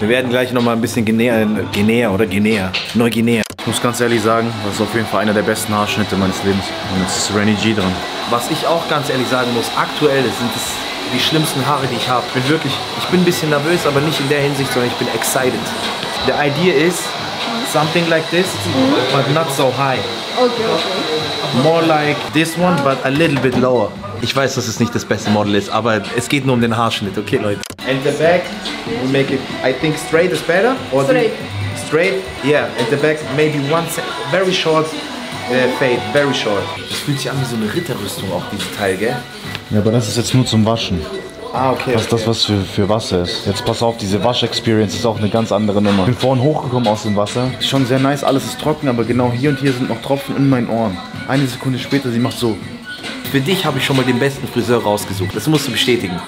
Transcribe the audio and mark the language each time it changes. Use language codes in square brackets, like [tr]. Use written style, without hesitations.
[de] Wir werden gleich nochmal ein bisschen Guinea. Neuguinea. Ich muss ganz ehrlich sagen, das ist auf jeden Fall einer der besten Haarschnitte meines Lebens. Und jetzt ist Renny G dran. Was ich auch ganz ehrlich sagen muss, aktuell sind es die schlimmsten Haare, die ich habe. Ich bin ein bisschen nervös, aber nicht in der Hinsicht, sondern ich bin excited. [en] The idea is something like this, but not so high. Okay. More like this one, but a little bit lower. [de] Ich weiß, dass es nicht das beste Model ist, aber es geht nur um den Haarschnitt, okay Leute. [en] And the back, we make it, I think straight is better. Or straight. Straight, yeah, at the back, maybe one very short fade, very short. [de] Das fühlt sich an wie so eine Ritterrüstung auch, dieses Teil, gell? Ja, aber das ist jetzt nur zum Waschen. Ah, okay. Das okay. Ist das, was für Wasser ist. Jetzt pass auf, diese Wasch-Experience ist auch eine ganz andere Nummer. Ich bin vorhin hochgekommen aus dem Wasser. Schon sehr nice, alles ist trocken, aber genau hier und hier sind noch Tropfen in meinen Ohren. Eine Sekunde später, sie macht so. Für dich habe ich schon mal den besten Friseur rausgesucht. Das musst du bestätigen.